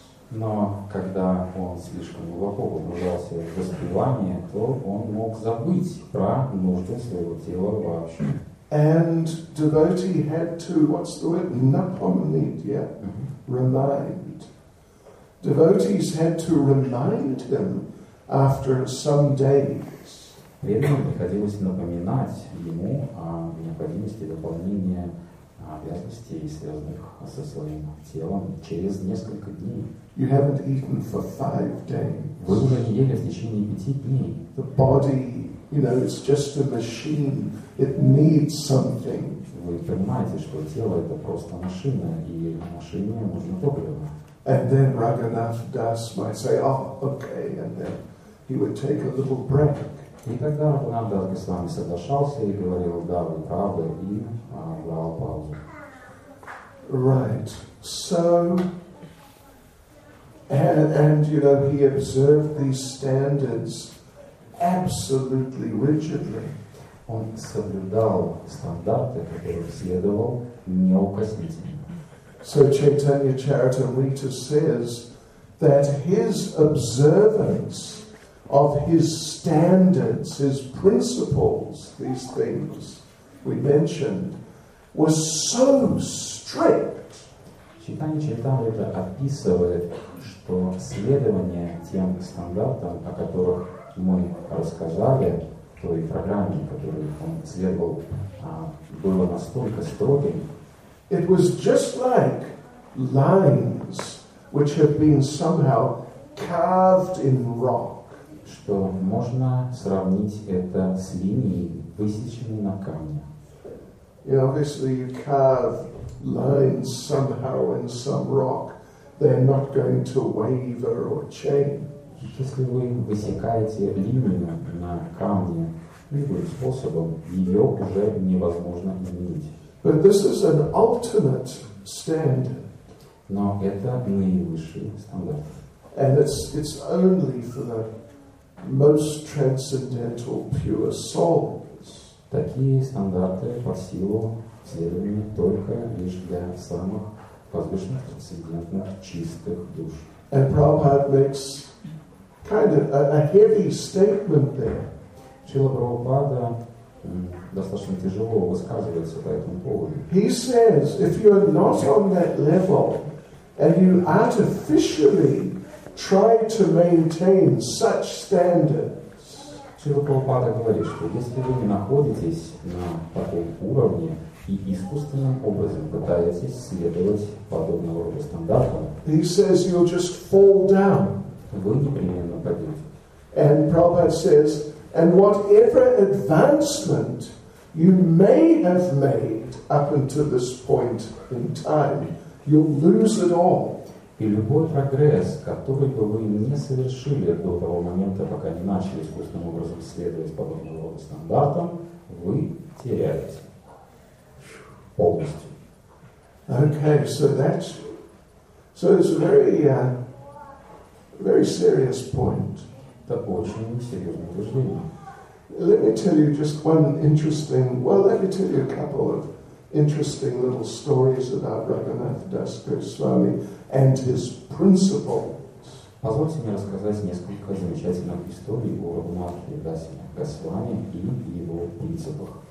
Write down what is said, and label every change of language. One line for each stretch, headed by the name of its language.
Russian: Но когда он слишком глубоко погружался в воспевание, то он мог забыть про нужды своего тела вообще.
English: And devotee had to, what's the word?
Russian: Напомнить,
English: yeah? Remind. Devotees had to remind him after some days.
Russian: Преданным приходилось напоминать ему о необходимости выполнения обязанностей, связанных со своим телом, через несколько дней.
English: You haven't eaten for 5 days.
Russian: Вы уже не ели в течение 5 дней.
English: The body, you know, it's just a machine. It needs something.
Russian: Вы понимаете, что тело это просто машина, и машине нужно топливо.
English: And then Raghunath Das might say, "Oh, okay," and then he would take a little break.
Russian: И тогда Раганат Дас Госвами соглашался и говорил: "Да, вы правы," и брал паузу.
English: Right. So, and you know, he observed these standards absolutely rigidly.
Russian: Он соблюдал стандарты, которые следовал неукоснительно.
English: So Chaitanya Charitamrita says that his observance of his standards, his principles, these things we mentioned, was so strict.
Russian: Chaitanya Charitamrita описывает, что следование тем стандартам, о которых мы рассказали, той программе, которую он следовал, было настолько строгим.
English: It was just like lines which have been somehow carved in rock.
Russian: Что можно сравнить это с линией, высеченной на камне.
English: You know, obviously you carve lines somehow in some rock, they're not going to waver or change.
Russian: Если вы высекаете линию на камне любым способом, ее уже невозможно изменить.
English: But this is an ultimate standard.
Russian: Но это наивысший стандарт.
English: And it's only for the most transcendental pure souls.
Russian: Такие стандарты по силу следования только лишь для самых возвышенных, трансцендентных, чистых душ.
English: And Prabhupada makes kind of a heavy statement there.
Russian: Шрила Прабхупада достаточно тяжело высказывается по этому поводу.
English: He says, if you're not on that level and you artificially try to maintain such standards,
Russian: Шрила Прабхупада говорит, что если вы не находитесь на таком уровне и искусственным образом пытаетесь следовать подобного рода стандартам,
English: he says, you'll just fall down.
Russian: Вы непременно падете.
English: And Prabhupada says, and whatever advancement you may have made up until this point in time, you'll lose it all.
Russian: И любой прогресс, который бы вы не совершили до того момента, пока не начали искусственным образом следовать подобного рода стандартам, вы теряете полностью.
English: Okay, so that's it's a very serious point.
Russian: Это очень серьезное утверждение.
English: Let me tell you just one interesting. Well, let me tell you a couple of interesting little stories about Raghunath Das Goswami and his principles.
Russian: Позвольте мне рассказать несколько замечательных историй о Раганатхе Дасе Госвами и его принципах.